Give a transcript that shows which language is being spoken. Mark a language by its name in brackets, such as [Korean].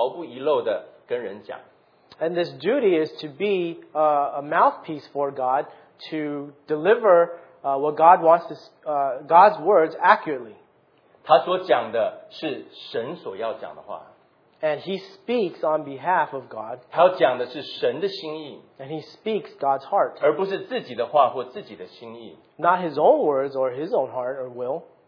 [Chinese] 这个职分就是要将神所告诉他们的话一五一十毫不遗漏地跟人讲。 [English] And this duty is to be a mouthpiece for God to deliver what God wants to, God's words accurately. [Chinese] 他所讲的是神所要讲的话。 [English] And he speaks on behalf of God. [Chinese] 他要讲的是神的心意, [English] and he speaks God's heart. [Chinese] 而不是自己的话或自己的心意, [English] not his own words or his own heart or will.